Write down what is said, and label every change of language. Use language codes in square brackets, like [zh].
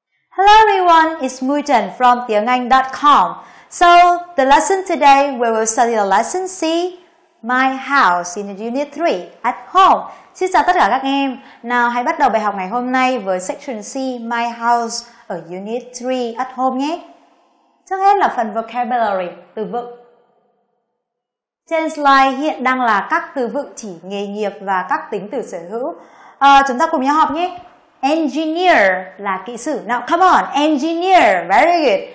[en] Hello everyone, it's Mujen from TiengAnh.com. So, the lesson today, we will study the lesson C, My House in Unit 3, At Home. [vi] Xin chào tất cả các em. Nào, hãy bắt đầu bài học ngày hôm nay với Section C, My House ở Unit 3, At Home nhé. Trước hết là phần vocabulary, từ vựng. Trên slide hiện đang là các từ vựng chỉ nghề nghiệp và các tính từ sở hữu. Chúng ta cùng nhau học nhé. Engineer là kỹ sư. [en] Now come on, engineer, very good.